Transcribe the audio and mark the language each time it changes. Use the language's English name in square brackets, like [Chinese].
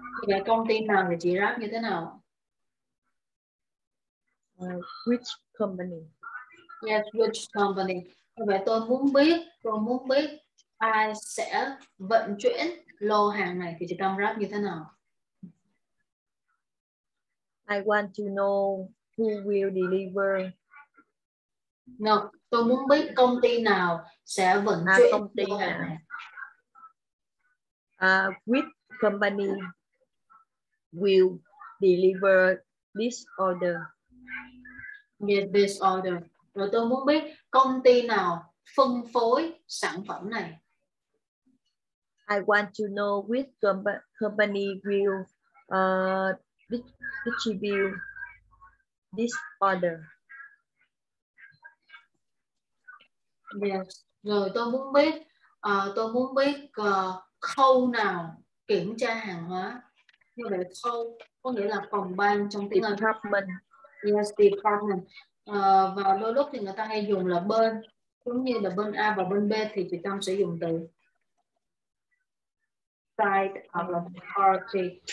[Vietnamese] Vậy công ty nào thì chị rap như thế nào? [English] Which company? Yes, which company? [Vietnamese] Vậy tôi muốn biết ai sẽ vận chuyển lô hàng này thì chị đang rap như thế nào? [English] I want to know who will deliver. [Vietnamese] No, tôi muốn biết công ty nào sẽ vận chuyển lô hàng này. [English] Which company will deliver this order? Yes, this order. [Vietnamese] Rồi tôi muốn biết công ty nào phân phối sản phẩm này. [English] I want to know which company will distribute this order. Yes. [Vietnamese] Rồi tôi muốn biết khâu nào kiểm tra hàng hóa. Như vậy khâu có nghĩa là phòng ban trong tiếng Anh. [English] Department. Yes, department. [Vietnamese] Và đôi lúc thì người ta hay dùng là bên, giống như là bên A và bên B thì chị Tâm sẽ dùng từ side of the party.